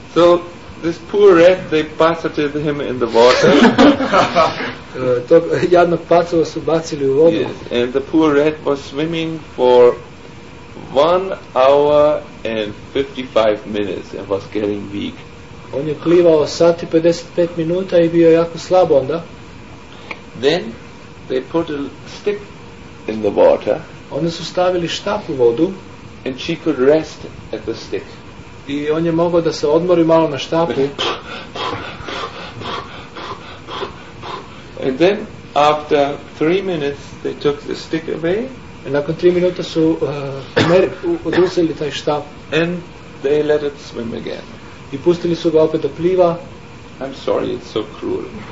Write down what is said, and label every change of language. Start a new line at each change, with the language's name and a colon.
English: So, this poor rat, they buffeted him in the water.
Serbian: Tog jadnog pacova su bacili u vodu.
English: Yes, and the poor rat was swimming for 1 hour and 55 minutes and was getting weak.
Serbian: On je plivao sati 55 minuta i bio jako slab onda.
English: Then they put a stick in the water.
Serbian: Oni su stavili štap u vodu.
English: And she could rest at the stick.
Serbian: I on je mogao da se odmori malo na štapu.
English: And then after 3 minutes they took the stick away.
Serbian: I nakon 3 minuta su oduzeli taj štap.
English: And they let it swim again.
Serbian: I pustili su ga opet da pliva.
English: I'm sorry, it's so cruel.